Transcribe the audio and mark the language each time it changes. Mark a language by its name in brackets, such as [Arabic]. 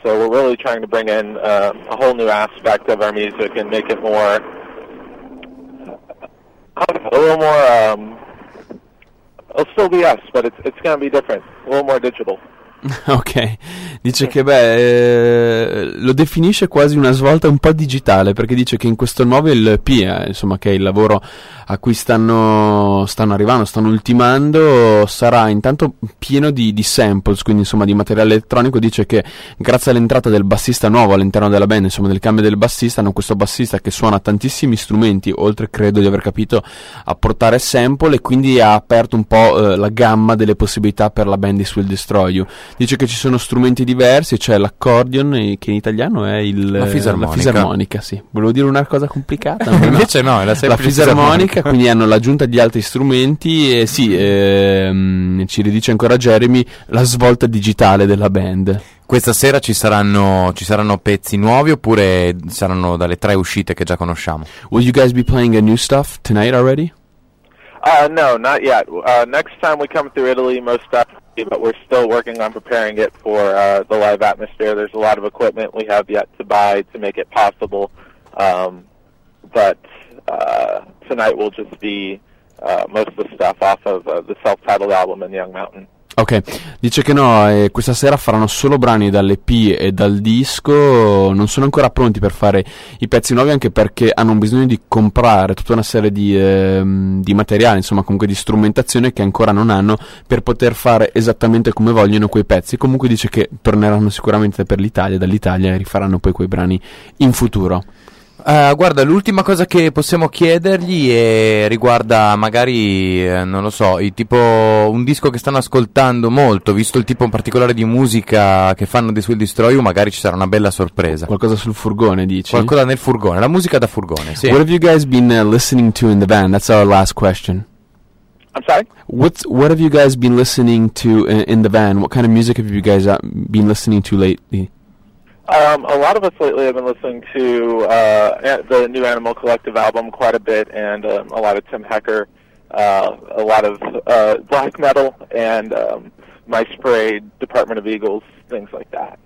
[English] So we're really trying to bring in a whole new aspect of our music and make it more, it'll still be us, but it's going to be different, a little more digital. [Italian] Ok, dice che lo definisce quasi una svolta un po' digitale, perché dice che in questo nuovo LP, insomma, che è il lavoro a cui stanno ultimando, sarà intanto pieno di samples, quindi insomma di materiale elettronico. Dice che grazie all'entrata del bassista nuovo all'interno della band, insomma del cambio del bassista, hanno questo bassista che suona tantissimi strumenti, oltre, credo di aver capito, a portare sample, e quindi ha aperto un po' la gamma delle possibilità per la band di Swill Destroy You. Dice che ci sono strumenti diversi, c'è cioè l'accordion, che in italiano è la fisarmonica, sì. Volevo dire una cosa complicata, ma invece no, è la semplice fisarmonica. Quindi hanno l'aggiunta di altri strumenti, e sì, ci ridice ancora Jeremy, la svolta digitale della band. Questa sera ci saranno pezzi nuovi, oppure saranno dalle tre uscite che già conosciamo? [English] Will you guys be playing a new stuff tonight already? No, not yet. Next time we come through Italy, most definitely, but we're still working on preparing it for the live atmosphere. There's a lot of equipment we have yet to buy to make it possible, but tonight will just be most of the stuff off of the self-titled album in Young Mountain. [Italian] Ok, dice che no, questa sera faranno solo brani dall'EP e dal disco, non sono ancora pronti per fare i pezzi nuovi, anche perché hanno bisogno di comprare tutta una serie di materiali, insomma comunque di strumentazione, che ancora non hanno per poter fare esattamente come vogliono quei pezzi. Comunque dice che torneranno sicuramente per l'Italia, dall'Italia, e rifaranno poi quei brani in futuro. Guarda, l'ultima cosa che possiamo chiedergli riguarda magari, non lo so, tipo un disco che stanno ascoltando molto, visto il tipo in particolare di musica che fanno di Swill Destroy You, magari ci sarà una bella sorpresa. Qualcosa sul furgone, dici? Qualcosa nel furgone, la musica da furgone, sì. [English] What have you guys been listening to in the band? That's our last question. I'm sorry? What have you guys been listening to in the band? What kind of music have you guys been listening to lately? A lot of us lately have been listening to the new Animal Collective album quite a bit, and a lot of Tim Hecker, a lot of black metal, and My Spray, Department of Eagles, things like that.